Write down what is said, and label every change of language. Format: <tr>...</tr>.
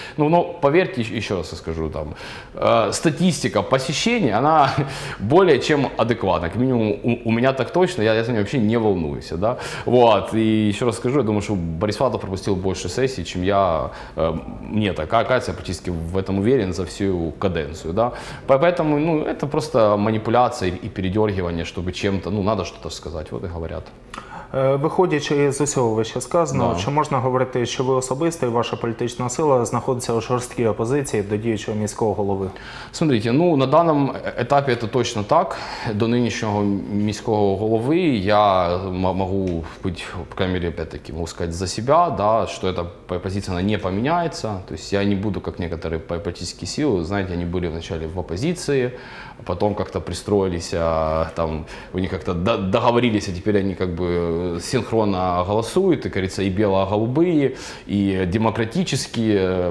<ru>Но поверьте, еще раз скажу, там, статистика посещения, она более чем адекватна. К минимуму у меня так точно, я за нее вообще не волнуюсь. Да? Вот. И еще раз скажу, я думаю, что Борис Филатов пропустил больше сессий, чем я. Мне такая кажется, я практически в этом уверен за всю каденцию. Да? Поэтому, ну, это просто манипуляция и передергивание, чтобы чем-то, ну, надо что-то сказать, вот и говорят.</ru> <uk>Виходячи з усього вище сказаного, чи можна говорити, що ви особисто і ваша політична сила знаходиться у жорсткій опозиції до діючого міського голови?</uk> <ru>Смотрите,</ru> <uk>ну на даному етапі це точно так. До нинішнього міського голови я можу бути,</uk> <ru>по крайней мере,</ru> <uk>можу сказати за себе, да, що ця позиція не поміняється. Тобто я не буду, як некоторі політичні сили,</uk> <ru>знаєте, вони були вначале в опозиції, потом как-то пристроились, там, у них как-то договорились, а теперь они как бы синхронно голосуют, и, кажется, и бело-голубые, и демократические.</ru>